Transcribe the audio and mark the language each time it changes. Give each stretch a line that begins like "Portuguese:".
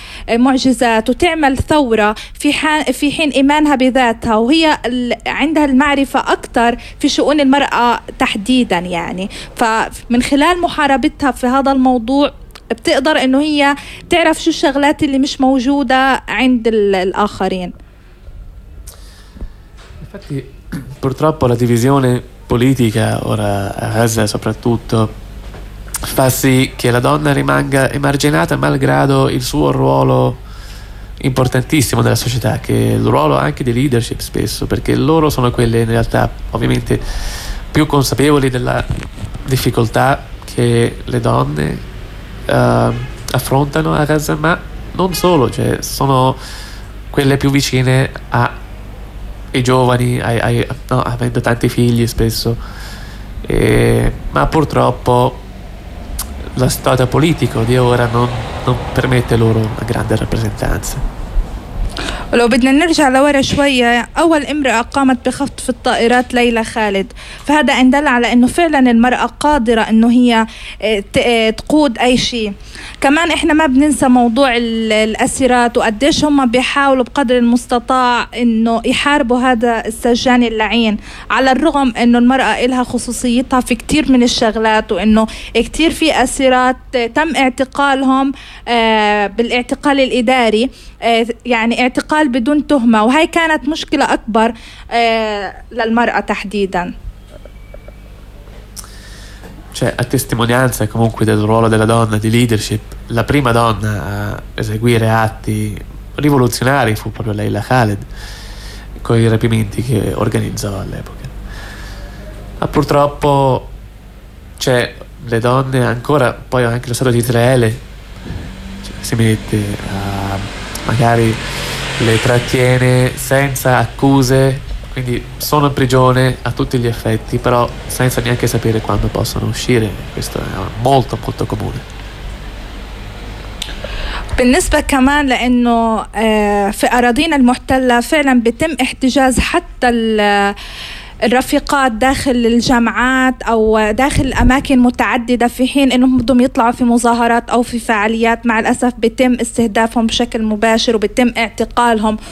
Arabic: معجزات وتعمل ثورة في حين ايمانها بذاتها، وهي عندها المعرفة اكتر في شؤون المرأة تحديدا، يعني فمن خلال محاربتها في هذا الموضوع بتقدر انه هي تعرف شو الشغلات اللي مش موجودة عند الاخرين.
Italian: Purtroppo la divisione politica ora a Gaza soprattutto fa sì che la donna rimanga emarginata malgrado il suo ruolo importantissimo nella società, che è il ruolo anche di leadership spesso, perché loro sono quelle in realtà ovviamente più consapevoli della difficoltà che le donne affrontano a Gaza, ma non solo, cioè sono quelle più vicine a i giovani, no, avendo tanti figli spesso, ma purtroppo la situazione politica di ora non permette loro una grande rappresentanza.
Arabic: لو بدنا نرجع لورا شوية، أول امرأة قامت بخطف الطائرات ليلى خالد، فهذا يدل على أنه فعلا المرأة قادرة أنه هي تقود أي شيء. كمان إحنا ما بننسى موضوع الأسيرات وقديش هم بيحاولوا بقدر المستطاع أنه يحاربوا هذا السجان اللعين، على الرغم أنه المرأة إلها خصوصيتها في كتير من الشغلات، وأنه كتير في أسيرات تم اعتقالهم بالاعتقال الإداري، يعني اعتقال بدون تهمة، وهي كانت مشكلة أكبر للمرأة تحديدا.
Italian: Cioè, a testimonianza comunque del ruolo della donna di leadership, la prima donna a eseguire atti rivoluzionari fu proprio Leila Khaled con i rapimenti che organizzò all'epoca. Ma purtroppo cioè le donne ancora, poi anche lo Stato di Israele, cioè, si mette a magari le trattiene senza accuse, quindi sono in prigione a tutti gli effetti, però senza neanche sapere quando possono uscire. Questo è molto molto comune.
Arabic: بالنسبة كمان لأنه في أراضينا المحتلة فعلا بيتم احتجاز حتى الرفيقات داخل الجامعات أو داخل أماكن متعددة، في حين أنهم بدهم يطلعوا في مظاهرات أو في فعاليات مع الأسف بيتم استهدافهم بشكل مباشر وبيتم اعتقالهم.